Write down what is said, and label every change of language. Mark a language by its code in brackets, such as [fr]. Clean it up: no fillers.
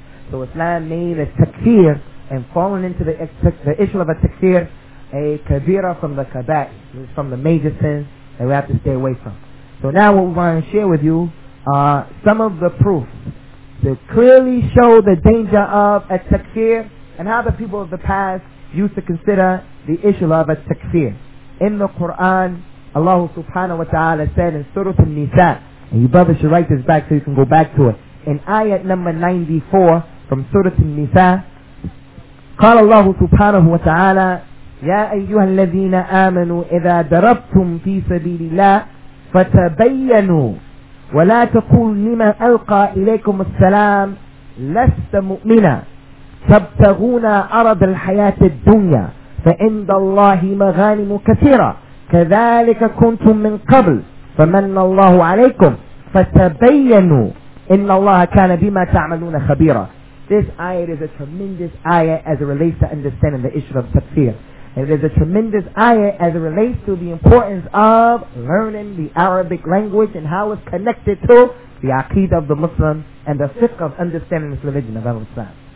[en] So Islam made a takfir and falling into the issue of a takfir, a kabira from the kabat, from the major sins that we have to stay away from. So now what we want to share with you are some of the proofs to clearly show the danger of a takfir and how the people of the past used to consider the issue of a takfir. In the Quran, Allah subhanahu wa ta'ala said in Surah An-Nisa, and you brothers should write this back so you can go back to it, in ayat number 94 from Surah An-Nisa, [ar] قال الله سبحانه وتعالى يا أيها الذين آمنوا إذا ضربتم في سبيل الله فتبينوا ولا تقولوا لمن ألقى إليكم السلام لست مؤمنا تبتغون عرض الحياة الدنيا فعند الله مغانم كثيرة كذلك كنتم من قبل فمن الله عليكم فتبينوا إن الله كان بما تعملون خبيرا. [en] This ayat is a tremendous ayat as it relates to understanding the issue of takfir. And it is a tremendous ayat as it relates to the importance of learning the Arabic language and how it's connected to the aqidah of the Muslim and the fiqh of understanding this religion of Islam.